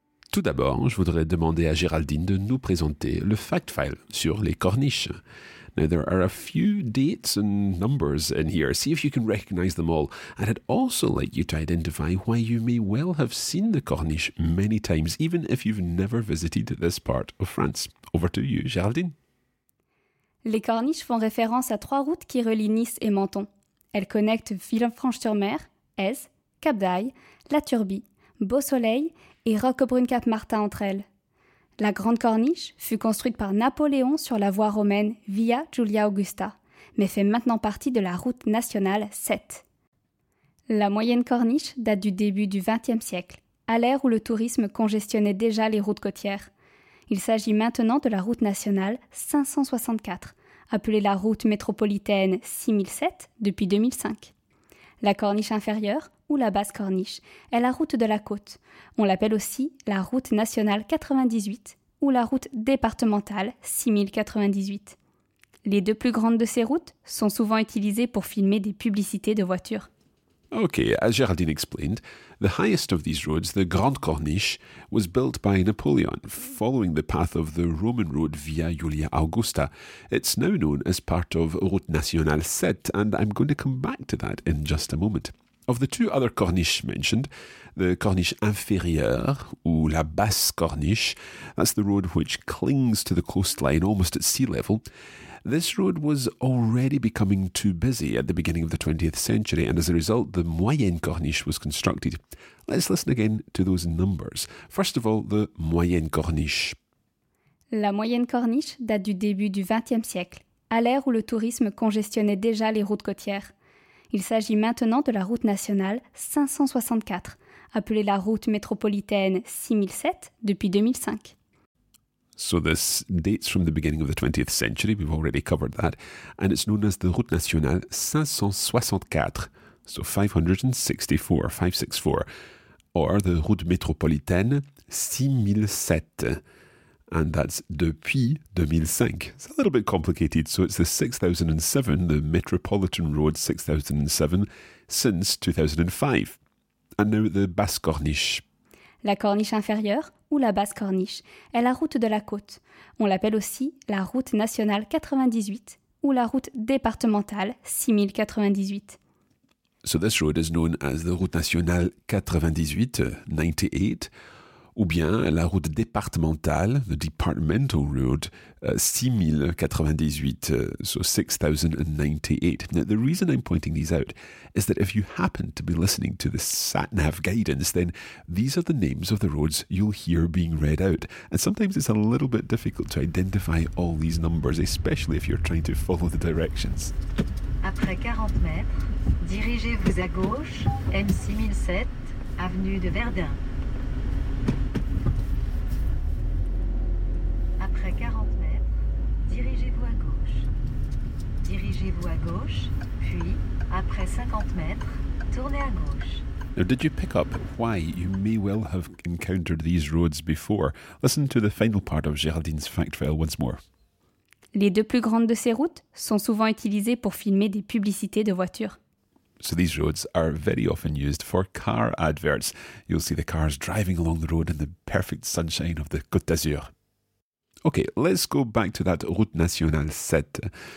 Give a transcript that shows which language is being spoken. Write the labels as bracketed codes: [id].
[fr] Tout d'abord, je voudrais demander à Géraldine de nous présenter le fact file sur les corniches. [en] Now, there are a few dates and numbers in here. See if you can recognize them all. And I'd also like you to identify why you may well have seen the corniche many times, even if you've never visited this part of France. Over to you, Géraldine. [fr] Les corniches font référence à trois routes qui relient Nice et Menton. Elles connectent Villefranche-sur-Mer, Aise, Cap d'Ail, La Turbie, Beausoleil et Roquebrune-Cap-Martin entre elles. La Grande Corniche fut construite par Napoléon sur la voie romaine Via Giulia Augusta, mais fait maintenant partie de la route nationale 7. La Moyenne Corniche date du début du XXe siècle, à l'ère où le tourisme congestionnait déjà les routes côtières. Il s'agit maintenant de la route nationale 564, appelée la route métropolitaine 6007 depuis 2005. La Corniche inférieure, ou la basse corniche, est la route de la côte. On l'appelle aussi la route nationale 98 ou la route départementale 6098. Les deux plus grandes de ces routes sont souvent utilisées pour filmer des publicités de voitures. [en] Ok, as Géraldine explained, the highest of these roads, the Grande Corniche, was built by Napoleon, following the path of the Roman road Via Julia Augusta. It's now known as part of Route Nationale 7, and I'm going to come back to that in just a moment. Of the two other corniches mentioned, the corniche inférieure, [fr] ou la basse corniche, [en] that's the road which clings to the coastline almost at sea level, this road was already becoming too busy at the beginning of the 20th century, and as a result, the moyenne corniche was constructed. Let's listen again to those numbers. First of all, the moyenne corniche. [fr] La moyenne corniche date du début du XXe siècle, à l'ère où le tourisme congestionnait déjà les routes côtières. Il s'agit maintenant de la route nationale 564, appelée la route métropolitaine 6007 depuis 2005. [en] So this dates from the beginning of the 20th century, we've already covered that, and it's known as the Route Nationale 564, so 564, 564, or the Route Métropolitaine 6007, and that's [fr] depuis 2005. [en] It's a little bit complicated, so it's the 6007, the Metropolitan Road 6007, since 2005. And now the Basse Corniche. La Corniche inférieure, ou la Basse Corniche, est la route de la côte. On l'appelle aussi la route nationale 98 ou la route départementale 6098. So this road is known as the route nationale 98, 98, [fr] ou bien la route départementale, [en] the departmental road, 6098, so 6098. Now, the reason I'm pointing these out is that if you happen to be listening to the SatNav guidance, then these are the names of the roads you'll hear being read out. And sometimes it's a little bit difficult to identify all these numbers, especially if you're trying to follow the directions. [fr] Après 40 mètres, dirigez-vous à gauche, M6007, avenue de Verdun. Après 40 mètres, dirigez-vous à gauche. Dirigez-vous à gauche, puis, après 50 mètres, tournez à gauche. [en] Now, did you pick up why you may well have encountered these roads before? Listen to the final part of Géraldine's fact file once more. [fr] Les deux plus grandes de ces routes sont souvent utilisées pour filmer des publicités de voitures. [en] So these roads are very often used for car adverts. You'll see the cars driving along the road in the perfect sunshine of the Côte d'Azur. Okay, let's go back to that Route Nationale 7.